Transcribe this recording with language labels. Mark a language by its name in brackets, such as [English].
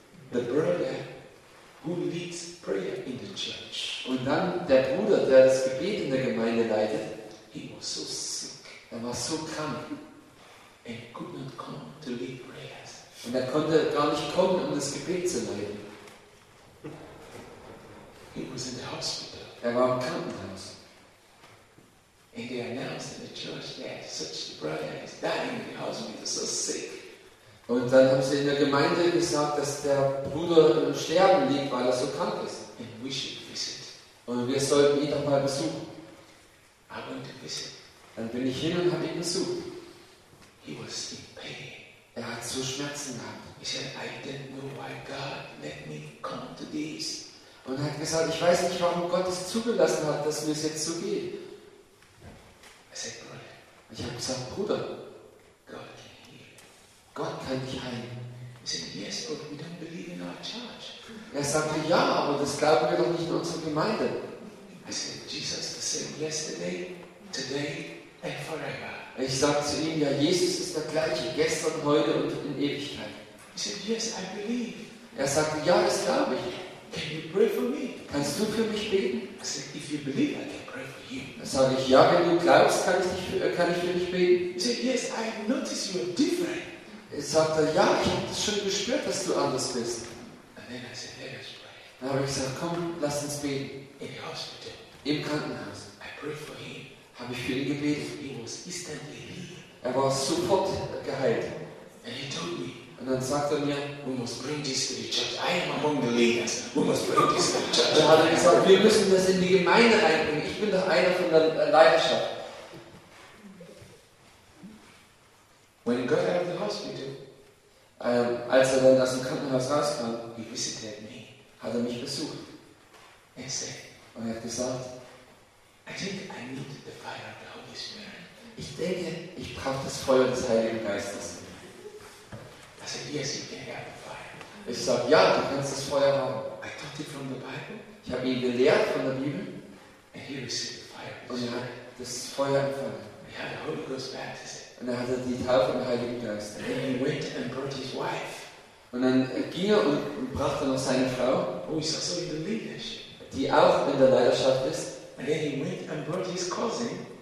[English] the brother who leads prayer in the church. [German] Und dann der Bruder, der das Gebet in der Gemeinde leitet. [English] He was so sick. [German] Er war so krank. [English] And could not come to lead prayers. [German] Und er konnte gar nicht kommen, um das Gebet zu leiten. [English] He was in the hospital. [German] Er war im Krankenhaus. [English] And they announced in the church that such a brother is dying in the hospital, so sick. [German] Und dann haben sie in der Gemeinde gesagt, dass der Bruder im Sterben liegt, weil er so krank ist. [English] And we should visit. [German] Und wir sollten ihn doch mal besuchen. [English] I went to visit. [German] Dann bin ich hin und habe ihn besucht. [English] He was in pain. [German] Er hat so Schmerzen gehabt. [English] He said, I didn't know why God let me come to this. [German] Und er hat gesagt, ich weiß nicht, warum Gott es zugelassen hat, dass mir es jetzt so geht. [English] I said, Brother. [German] Und ich habe gesagt, Bruder, [English] God can heal. [German] Gott kann dich heilen. [English] He said, yes, but we don't believe in our church. [German] Er sagte, ja, aber das glauben wir doch nicht in unserer Gemeinde. [English] I said, Jesus the same yesterday, today and forever. [German] Ich sagte zu ihm, ja, Jesus ist der gleiche, gestern, heute und in Ewigkeit. [English] He said, yes, I believe. [German] Er sagte, ja, das glaube ich. [English] Can you pray for me? [German] Kannst du für mich beten? [English] I said, if you believe, I can pray for you. [German] Da sage ich, ja, wenn du glaubst, kann ich für dich beten. [English] He said, yes, I notice you're different. [German] Er sagte, ja, ich habe das schon gespürt, dass du anders bist. [English] And then I said, let us pray. [German] Dann habe ich gesagt, komm, lass uns beten. [English] In the hospital. [German] Im Krankenhaus. [English] I pray for him. [German] Habe ich für ihn gebetet. [English] He was instantly healed. [German] Er war sofort geheilt. [English] And he told me. [German] Und dann sagt er mir, [English] we must bring this to the church. I am among the leaders. We must bring this to the church. [German] Dann hat er gesagt, wir müssen das in die Gemeinde einbringen. Ich bin doch einer von der Leidenschaft. [English] When he got out of the hospital, [German] als er dann aus dem Krankenhaus rauskam, [English] he visited me. [German] Hat er mich besucht. [English] And said, [German] und er hat gesagt, [English] I think I need the fire of the Holy Spirit. [German] Ich denke, ich brauche das Feuer des Heiligen Geistes. [English] I said, yes, you can have the fire. [German] Ich sage, ja, du kannst das Feuer haben. [English] I taught it from the Bible. [German] Ich habe ihn gelehrt von der Bibel. [English] And he received the fire. [German] Und er hat das Feuer empfangen. [English] He had the Holy Ghost baptism. [German] Und er hatte die Taufe im Heiligen Geist. [English] And then he went and brought his wife. [German] Und dann ging er und brachte noch seine Frau. [English] Oh, is also in the leadership. [German] Die auch in der Leidenschaft ist. [English] And then he went and brought his cousin.